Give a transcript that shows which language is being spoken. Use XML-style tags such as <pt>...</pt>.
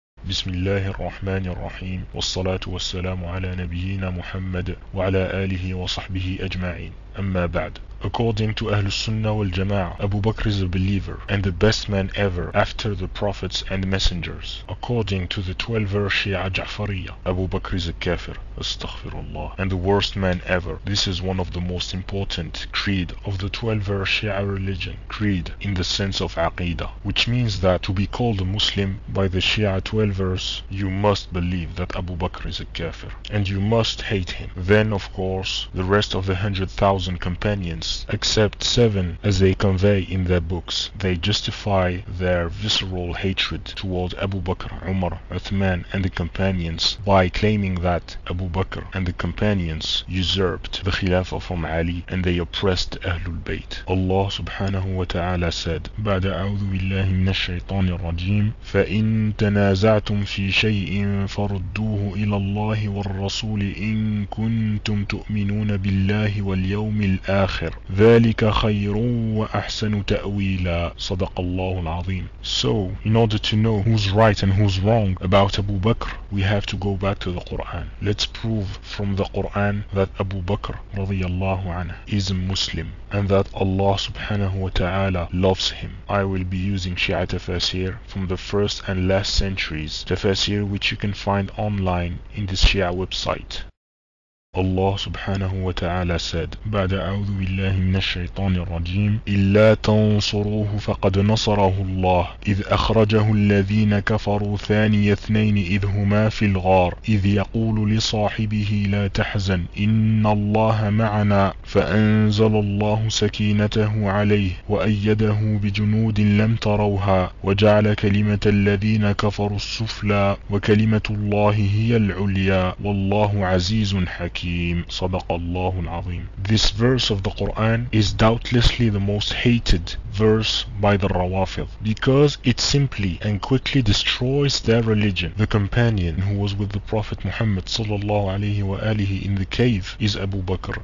<ar>بسم الله الرحمن الرحيم، والصلاة والسلام على نبينا محمد وعلى آله وصحبه أجمعين. أما بعد،</ar> <en>according to</en> <ar>أهل السنة والجماعة،</ar> <en>أبو بكر is a believer and the best man ever after the prophets and messengers. According to the 12er Shia جعفرية، أبو بكر is a kafir،</en> <ar>استغفر الله،</ar> <en>and the worst man ever. This is one of the most important creed of the 12er Shia religion. Creed in the sense of عقيدة، which means that to be called a Muslim by the Shia 12ers, you must believe that Abu Bakr is a kafir and you must hate him. Then of course, the rest of the 100,000 companions except 7, as they convey in their books, they justify their visceral hatred toward Abu Bakr, Umar, Uthman and the companions by claiming that Abu Bakr and the companions usurped the Khilafah from Ali and they oppressed Ahlul Bayt. Allah subhanahu wa ta'ala said,</en> <ar>بعد أعوذ بالله من الشيطان الرجيم فإن تنازعتم في شيء فردوه إلى الله والرسول إن كنتم تؤمنون بالله واليوم الآخر ذلك خير وأحسن تأويلا صدق الله العظيم.</ar> <en>So in order to know who's right and who's wrong about Abu Bakr, we have to go back to the Quran. Let's prove from the Quran that Abu Bakr</en> <ar>رضي الله عنه</ar> <en>is a Muslim and that Allah subhanahu wa ta'ala loves him. I will be using Shia tafsir from the first and last centuries, tafsir which you can find online in the Shia website. Allah subhanahu wa ta'ala said,</en> <ar>بعد أعوذ بالله من الشيطان الرجيم إلا تنصروه فقد نصره الله إذ أخرجه الذين كفروا ثاني اثنين إذ هما في الغار إذ يقول لصاحبه لا تحزن إن الله معنا فأنزل الله سكينته عليه وأيده بجنود لم تروها وجعل كلمة الذين كفروا السفلى وكلمة الله هي العليا والله عزيز حكيم. صدق الله العظيم.</ar> <en>This verse of the Quran is doubtlessly the most hated verse by the Rawafid because it simply and quickly destroys their religion. The companion who was with the Prophet Muhammad sallallahu alayhi wa alihi in the cave is Abu Bakr.</en>